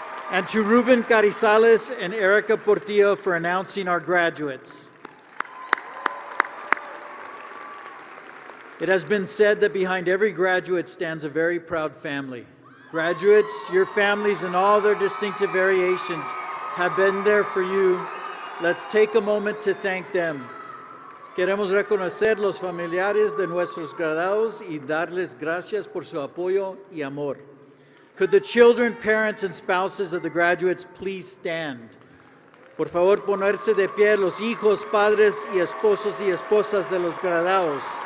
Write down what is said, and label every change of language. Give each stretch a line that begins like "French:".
English: And to Ruben Carizales and Erica Portillo for announcing our graduates. It has been said that behind every graduate stands a very proud family. Graduates, your families and all their distinctive variations have been there for you. Let's take a moment to thank them.
Spanish: Queremos reconocer los familiares de nuestros graduados y darles gracias por su apoyo y amor.
English: Could the children, parents, and spouses of the graduates please stand?
Spanish: Por favor, ponerse de pie los hijos, padres, y esposos y esposas de los graduados.